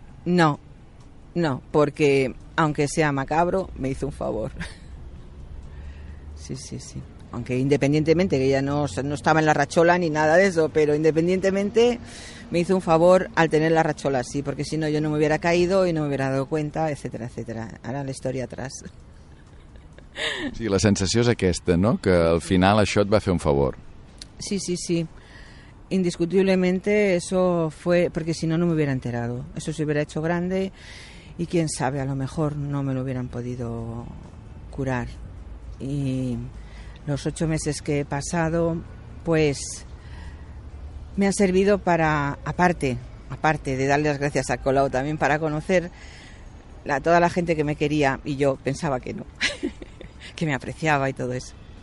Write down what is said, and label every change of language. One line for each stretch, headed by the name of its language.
Spanish: No, no, porque aunque sea macabro, me hizo un favor. Sí, sí, sí. Aunque independientemente, que ella no estaba en la rachola ni nada de eso, pero independientemente me hizo un favor al tener la rachola, sí, porque si no yo no me hubiera caído y no me hubiera dado cuenta, etcétera, etcétera. Ahora la historia atrás.
Catalan: Sí, la sensació és aquesta, no? Que al final això et va fer un favor. Sí, sí, sí.
Spanish: Indiscutiblemente eso fue, porque si no, no me hubiera enterado. Eso se hubiera hecho grande y quién sabe, a lo mejor no me lo hubieran podido curar. Y los 8 meses que he pasado, pues me ha servido para, aparte de darle las gracias a Colau, también para conocer a toda la gente que me quería y yo pensaba que no, que me apreciaba y todo eso.